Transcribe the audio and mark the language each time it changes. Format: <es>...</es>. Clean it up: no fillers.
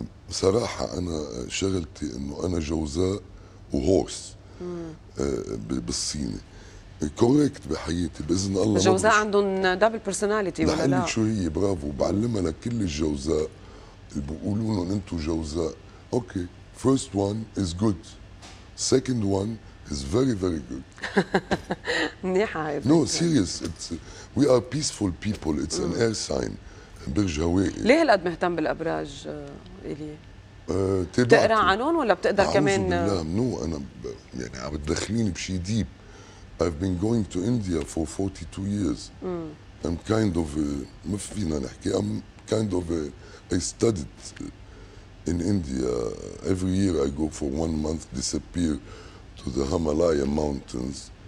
<ar>صراحة أنا شغلتي إنه أنا جوزاء وهورس بالصيني كوريكت بحياتي بإذن الله. الجوزاء عندهم دبل بيرسوناليتي ولا لا؟ لحلي شو هي، برافو، بعلمها لكل الجوزاء اللي بيقولون إن أنتوا جوزاء. أوكي،</ar> <en>First one is good, second one is very very good.</en> <ar>منيحة.</ar> <en>No serious, it's we are peaceful people. It's an air sign.</en> <ar>برج هوائي. ليه هالقد مهتم بالأبراج إلي؟ بتقرا عنهم ولا بتقدر كمان؟ لا نو أنا يعني عم بتدخليني بشي ديب.</ar> <en>I've been going to India for 42 years. I'm kind of</en> <ar>ما فينا نحكي.</ar> <en>I'm kind of I studied in India. Every year I go for one month, disappear to the Himalaya mountains.</en>